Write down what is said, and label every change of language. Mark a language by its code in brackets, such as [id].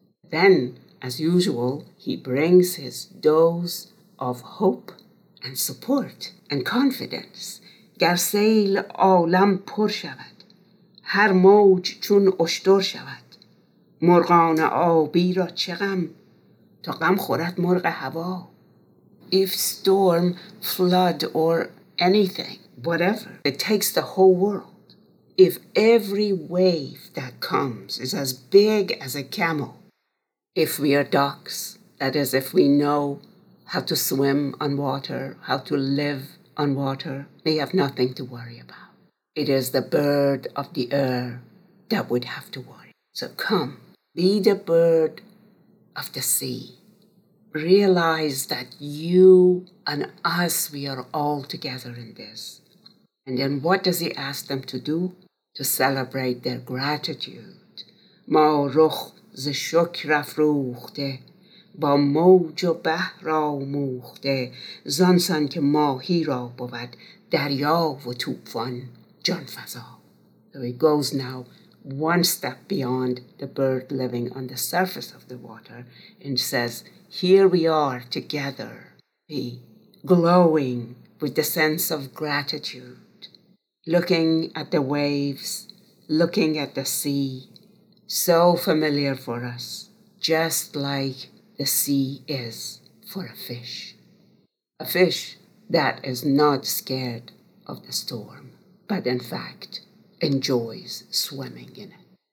[en] Then, as usual, he brings his dose of hope and support and confidence. [fa] گر سیل عالم پر شود، هر موج چون اشتر شود، مرغان آبی را چه غم، تا غم خورد مرغ هوا. [en] If storm, flood, or anything, whatever, it takes the whole world. If every wave that comes is as big as a camel. If we are ducks, that is, if we know how to swim on water, how to live on water, we have nothing to worry about. It is the bird of the air that would have to worry. So come, be the bird of the sea. Realize that you and us, we are all together in this. And then what does he ask them to do? To celebrate their gratitude. [fa] ما رخ ز شکر افروخته با موج و بحر آموخته زان سان که ماهی را بود دریا و طوفان جان فضا. [en] So he goes now one step beyond the bird living on the surface of the water and says, here we are together, we glowing with the sense of gratitude, looking at the waves, looking at the sea, so familiar for us, just like the sea is for a fish that is not scared of the storm, but in fact enjoys swimming in it.